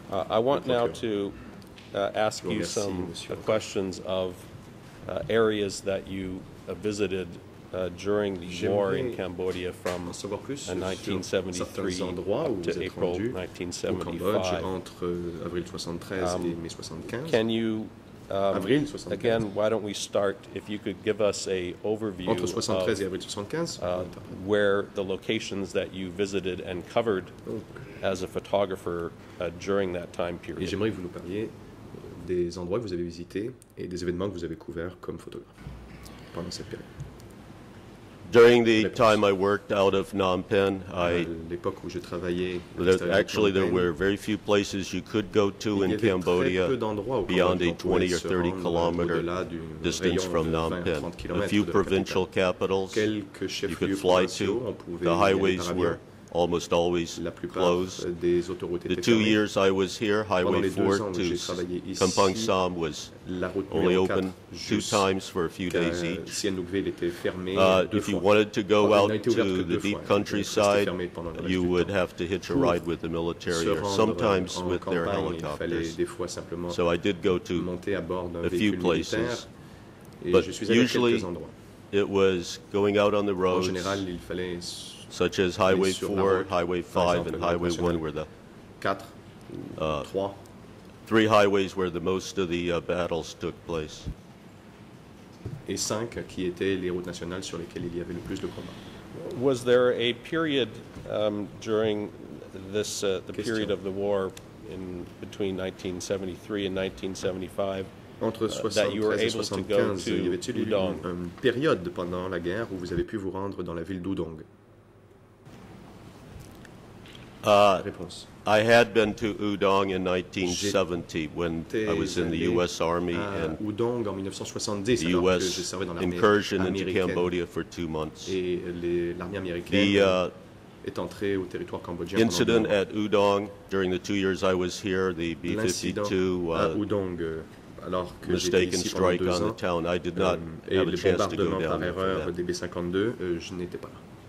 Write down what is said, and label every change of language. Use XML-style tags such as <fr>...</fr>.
<en>I want now to ask you some questions of areas that you visited during the war in Cambodia from 1973 to April 1975. Can you, again, why don't we start, if you could give us an overview</en> <fr>entre 73</fr> <en>of</en> <fr>et 75,</fr> <en>where the locations that you visited and covered as a photographer during that time period.</en> <fr>Et j'aimerais que vous nous parliez des endroits que vous avez visités et des événements que vous avez couverts comme photographe pendant cette période.</fr> <en>During the time I worked out of Phnom Penh, there were very few places you could go to in Cambodia beyond a 20 or 30 kilometer distance from Phnom Penh. A few provincial capitals you could fly to. The highways were almost always closed. The 2 years I was here, Highway 4 to Kampong Som was only open two times for a few days each. If you wanted to go out to the deep countryside, you would have to hitch a ride with the military or sometimes with their helicopters. So I did go to a few places, but usually it was going out on the roads, such as Highway 4, Highway 5, and Highway 1, where the three highways where the most of the battles took place.</en> <fr>Et cinq qui étaient les routes nationales sur lesquelles il y avait le plus de combats.</fr> <en>Was there a period during this the period of the war in between 1973 and 1975?</en> <fr>Entre 73 et 75, y avait-il une période pendant la guerre où vous avez pu vous rendre dans la ville d'Udong? Réponse.</fr> <en>I had been to Udong in 1970 when I was in the U.S. Army and</en> <fr>Udong en 1970,</fr> <en>the U.S. incursion into Cambodia for 2 months.</en> <fr>Et l'armée américaine est entrée au territoire cambodgien.</fr> <en>Incident at Udong during the 2 years I was here, the B-52 mistaken strike on the town. I did not have a chance to go down</en> <fr>par erreur des B-52, je n'étais pas là.</fr>